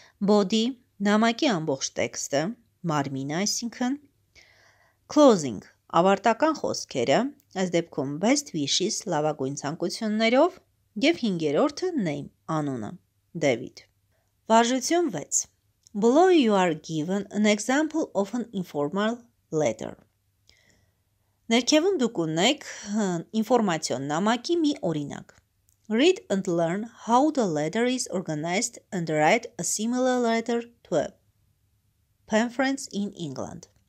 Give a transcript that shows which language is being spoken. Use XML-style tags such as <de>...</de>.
<hy>Body, նամակի ամբողջ տեքստը, մարմին, այսինքն closing, ավարտական խոսքերը, այս դեպքում best wishes, լավագույն ցանկություններով, եւ հինգերորդը name, անունը, David. Վարժություն 6.</hy> <en>Below you are given an example of an informal letter.</en> <hy>Ներքևում դուք ունեք ինֆորմացիոն նամակի մի օրինակ.</hy> <en>Read and learn how the letter is organized and write a similar letter to a pen friends in England.</en>